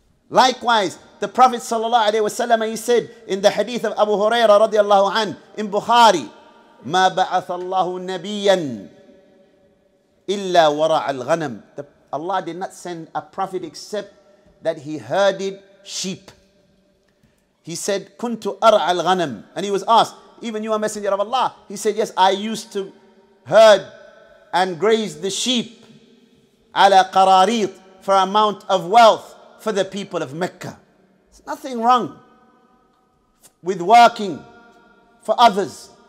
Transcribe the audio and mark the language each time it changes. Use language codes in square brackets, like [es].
[en] Likewise, the Prophet sallallahu alaihi wasallam, he said in the hadith of Abu Hurairah radiallahu an, in Bukhari, [ar] مَا بَعَثَ اللَّهُ نَبِيًّا إِلَّا وَرَعَ الْغَنَمِ. [en] Allah did not send a prophet except that he herded sheep. He said, [ar] كُنْتُ أَرْعَ الْغَنَمِ. [en] And he was asked, even you are messenger of Allah. He said, yes, I used to herd and graze the sheep [ar] عَلَى قَرَارِيط [en] for amount of wealth for the people of Mecca. Nothing wrong with working for others.